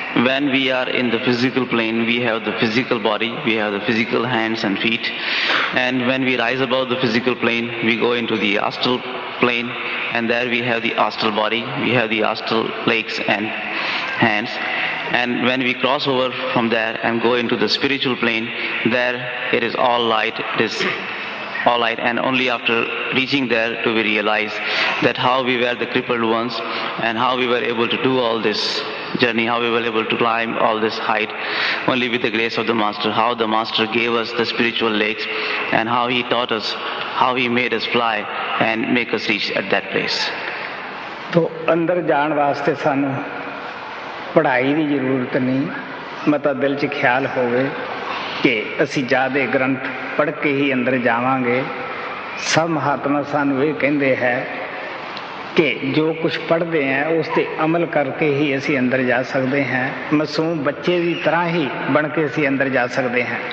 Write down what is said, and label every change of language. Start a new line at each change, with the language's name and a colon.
English: When we are in the physical plane we have the physical body we have the physical hands and feet and when we rise about the physical plane we go into the astral plane and there we have the astral body we have the astral legs and hands And when we cross over from there and go into the spiritual plane, there it is all light, it is all light. And only after reaching there do we realize that how we were the crippled ones and how we were able to do all this journey, how we were able to climb all this height, only with the grace of the Master, how the Master gave us the spiritual legs and how he taught us, how he made us fly and make us reach at that place.
Punjabi: So, andar jaan vaaste sanu. ਪੜ੍ਹਾਈ ਦੀ ਜ਼ਰੂਰਤ ਨਹੀਂ ਮਤਾਂ ਦਿਲ 'ਚ ਖਿਆਲ ਹੋਵੇ ਕਿ ਅਸੀਂ ਜ਼ਿਆਦਾ ਗ੍ਰੰਥ ਪੜ੍ਹ ਕੇ ਹੀ ਅੰਦਰ ਜਾਵਾਂਗੇ ਸਭ ਮਹਾਤਮਾ ਸਾਨੂੰ ਇਹ ਕਹਿੰਦੇ ਹੈ ਕਿ ਜੋ ਕੁਛ ਪੜ੍ਹਦੇ ਹਾਂ ਉਸ 'ਤੇ ਅਮਲ ਕਰਕੇ ਹੀ ਅਸੀਂ ਅੰਦਰ ਜਾ ਸਕਦੇ ਹਾਂ ਮਾਸੂਮ ਬੱਚੇ ਦੀ ਤਰ੍ਹਾਂ ਹੀ ਬਣ ਕੇ ਅਸੀਂ ਅੰਦਰ ਜਾ ਸਕਦੇ ਹਾਂ